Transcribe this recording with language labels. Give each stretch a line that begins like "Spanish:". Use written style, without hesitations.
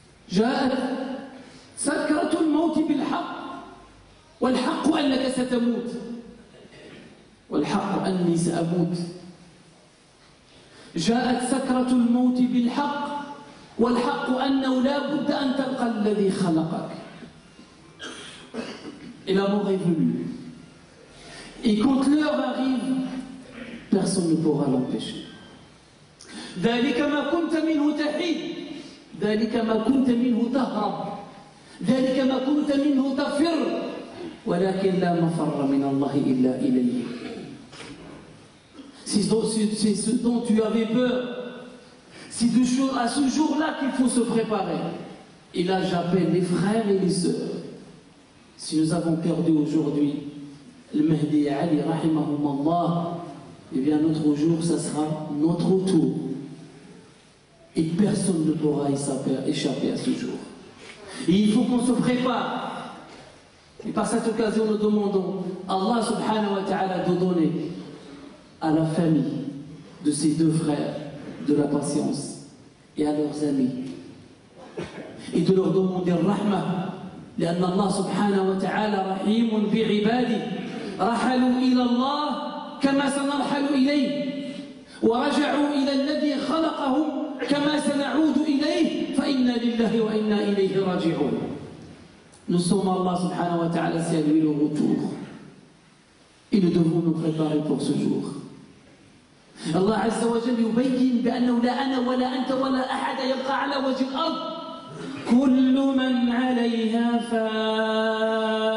Arabic: جاءت سكرة الموت بالحق، والحق أنك ستموت، والحق أني سأموت. جاءت سكرة الموت بالحق، والحق أنه لا بد أن تلقى الذي خلقك. إلى مغيبه.
French: Et quand l'heure arrive, personne ne pourra l'empêcher.
Arabic: ذلك ما كنت منه تحيد. ذلك ما كنت منه تهرب. ذلك ما كنت منه تفر. ولكن لا مفر من الله إلا إليه.
French: C'est ce dont tu avais peur. C'est de jour, à ce jour-là qu'il faut se préparer. Et là, j'appelle les frères et les sœurs. Si nous avons perdu aujourd'hui le Mahdi Ali,
Arabic: rahimahum Allah,
French: et bien notre jour, ça sera notre tour. Et personne ne pourra échapper à ce jour. Et il faut qu'on se prépare. Et par cette occasion, nous demandons Allah subhanahu wa ta'ala de donner à la famille de ses deux frères de la patience et à leurs amis. Et de leur demander rahma, لأن Allah subhanahu wa ta'ala
Arabic: rahim bi'ibadi. رحلوا إلى الله كما سنرحل إليه ورجعوا إلى الذي خلقهم كما سنعود إليه فإنا لله وإنا إليه راجعون. نسوم الله سبحانه وتعالى سيلوي له retour.
French: Et nous devons nous préparer pour ce jour.
Arabic: الله عز وجل يبين بأنه لا أنا ولا أنت ولا أحد يبقى على وجه الأرض. كل من عليها فان.